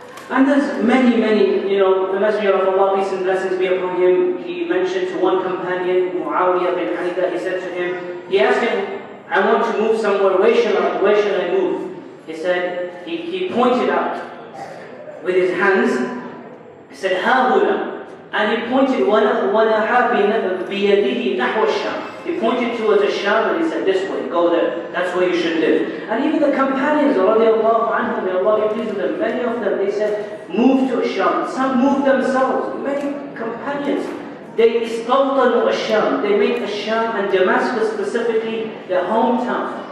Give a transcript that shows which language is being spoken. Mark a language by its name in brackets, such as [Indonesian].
[English] And there's many, many, you know, the Messenger of Allah, peace and blessings be upon him, he mentioned to one companion, Muawiyah bin Hanifa, he said to him, he asked him, I want to move somewhere, where shall I move? He said, he pointed out with his hands, he said, Hahuna. And he pointed, [Arabic] وَلَحَا بِيَدِهِ نَحْوَ الشَّامِ. [English] He pointed towards the Sham and he said, this way, go there, that's where you should live. And even the companions, radiallahu anhum, may Allah be pleased with them, many of them, they said, move to Sham. Some moved themselves, many companions. They istawtanu Sham. They made Sham and Damascus specifically their hometown.